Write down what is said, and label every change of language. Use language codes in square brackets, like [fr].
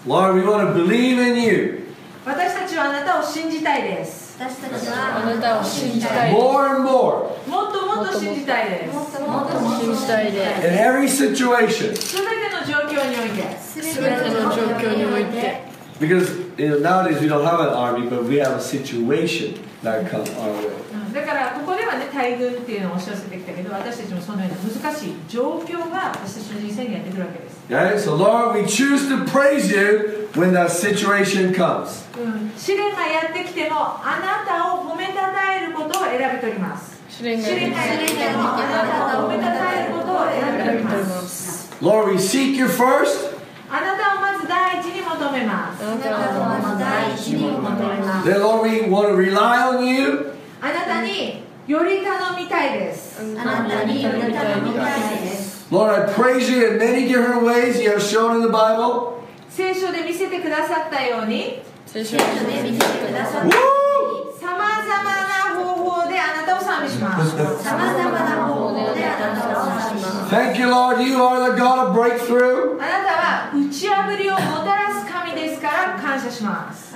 [en] Lord, we want to believe in you. [ja] 私たちはあなたを信じたいです。私たちはあなたを信じたい。 [en] More and more. [ja] もっともっと信じたいです。もっともっと信じたいです。 [en] In every situation. [ja] すべての状況において。 [en] Because you know, nowadays we don't have an army, but we have a situation that comes our way. [ja] だからここではね、大軍っていうのを押し寄せてきたけど、私たちもそのような難しい状況が私たちの人生にやってくるわけです。 [en] Okay, so Lord, we choose to praise you when that situation comes. [ja] 試練がやってきても、あなたを褒めたたえることを選び取ります。試練がやってきても、あなたを褒めたたえることを選び取ります。 [en] Lord, we seek you first. [ja] あなたをまず第一に求めます。あなたをまず第一に求めます。 [en] Then Lord, we want to rely on you. [ja] あなたにより頼みたいです。あなたにより頼みたいです。 [en] Lord, I praise you in many different ways you have shown in the Bible. [ja] 聖書で見せてくださったように、様々な方法であなたを賛美します。様々な方法であなたを賛美します。 [en] Thank you, Lord. You are the God of breakthrough. [ja] あなたは打ち破りをもたらす神ですから感謝します。